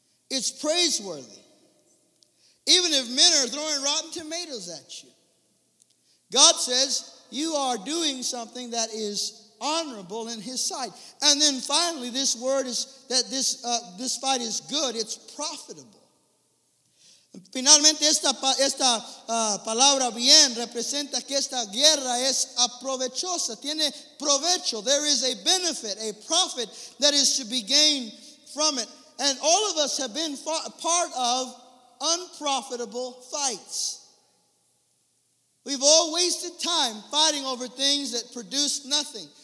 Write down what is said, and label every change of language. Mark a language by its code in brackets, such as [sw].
[en] It's praiseworthy. Even if men are throwing rotten tomatoes at you, God says you are doing something that is honorable in his sight. And then finally, this word is that this fight is good. It's profitable. [es] Finalmente, esta palabra bien representa que esta guerra es aprovechosa. Tiene provecho. [en] There is a benefit, a profit that is to be gained from it. And all of us have been part of unprofitable fights. We've all wasted time fighting over things that produce nothing.